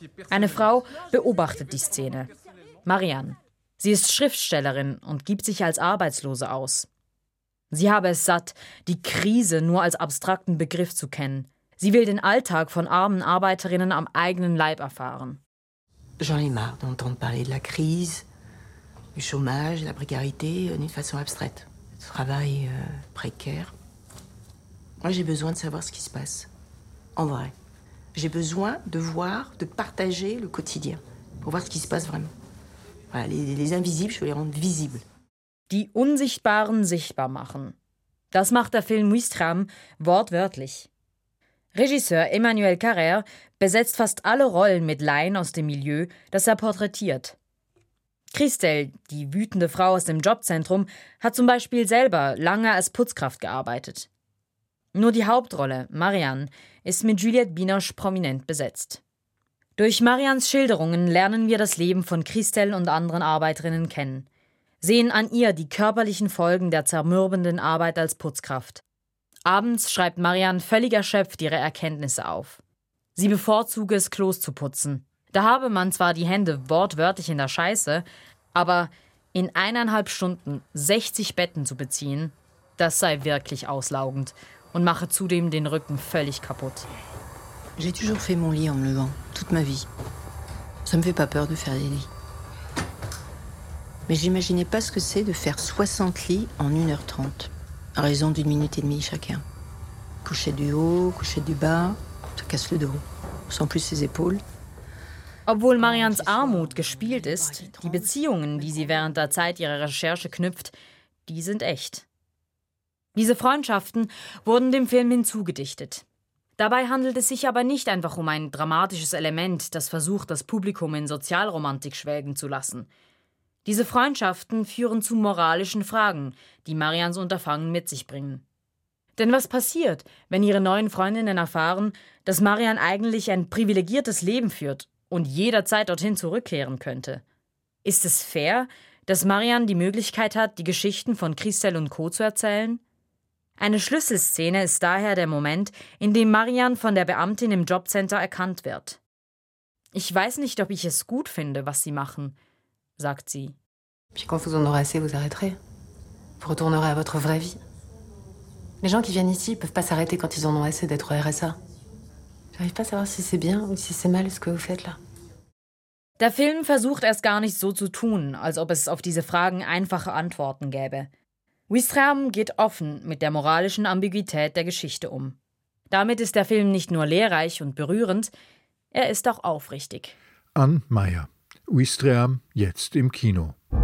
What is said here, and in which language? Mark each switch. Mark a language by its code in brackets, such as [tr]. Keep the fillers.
[de] Eine Frau beobachtet die Szene. Marianne. Sie ist Schriftstellerin und gibt sich als Arbeitslose aus. Sie habe es satt, die Krise nur als abstrakten Begriff zu kennen. Sie will den Alltag von armen Arbeiterinnen am eigenen Leib erfahren. [fr] J'en ai marre d'entendre parler de la crise, du chômage, de la précarité, d'une façon abstraite. travail euh, précaire. Moi, j'ai besoin de savoir ce qui se passe, en vrai. J'ai besoin de voir, de partager le quotidien, pour voir ce qui se passe vraiment. Voilà, les, les, invisibles, je veux les rendre visibles. [de] Die Unsichtbaren sichtbar machen. Das macht der Film Wistram wortwörtlich. Regisseur Emmanuel Carrère besetzt fast alle Rollen mit Laien aus dem Milieu, das er porträtiert. Christel, die wütende Frau aus dem Jobzentrum, hat zum Beispiel selber lange als Putzkraft gearbeitet. Nur die Hauptrolle, Marianne, ist mit Juliette Binoche prominent besetzt. Durch Marians Schilderungen lernen wir das Leben von Christel und anderen Arbeiterinnen kennen, sehen an ihr die körperlichen Folgen der zermürbenden Arbeit als Putzkraft. Abends schreibt Marianne völlig erschöpft ihre Erkenntnisse auf. Sie bevorzuge es, Klos zu putzen, da habe man zwar die Hände wortwörtlich in der Scheiße, aber in eineinhalb Stunden 60 Betten zu beziehen, das sei wirklich auslaugend und mache zudem den Rücken völlig kaputt. [fr] J'ai toujours fait mon lit en me levant, toute ma vie. Ça me fait pas peur de faire des lits. Mais j'imaginais pas ce que c'est de faire 60 lits in 1h30, à raison d'une minute et demie chacun. Coucher du haut, coucher du bas, ça casse le dos. Sans plus ses épaules. [de] Obwohl Marians Armut gespielt ist, die Beziehungen, die sie während der Zeit ihrer Recherche knüpft, die sind echt. Diese Freundschaften wurden dem Film hinzugedichtet. Dabei handelt es sich aber nicht einfach um ein dramatisches Element, das versucht, das Publikum in Sozialromantik schwelgen zu lassen. Diese Freundschaften führen zu moralischen Fragen, die Marians Unterfangen mit sich bringen. Denn was passiert, wenn ihre neuen Freundinnen erfahren, dass Marian eigentlich ein privilegiertes Leben führt und jederzeit dorthin zurückkehren könnte. Ist es fair, dass Marianne die Möglichkeit hat, die Geschichten von Christel und Co. zu erzählen? Eine Schlüsselszene ist daher der Moment, in dem Marianne von der Beamtin im Jobcenter erkannt wird. Ich weiß nicht, ob ich es gut finde, was sie machen, sagt sie. [fr] Puis quand vous en aurez assez, vous arrêterez. Vous retournerez à votre vraie vie. Les gens qui viennent ici peuvent pas s'arrêter quand ils en ont assez d'être RSA. J'arrive pas à savoir si c'est bien ou si c'est mal ce que vous faites là. [de] Der Film versucht erst gar nicht so zu tun, als ob es auf diese Fragen einfache Antworten gäbe. Wistram geht offen mit der moralischen Ambiguität der Geschichte um. Damit ist der Film nicht nur lehrreich und berührend, er ist auch aufrichtig. An Meyer. Wistram jetzt im Kino.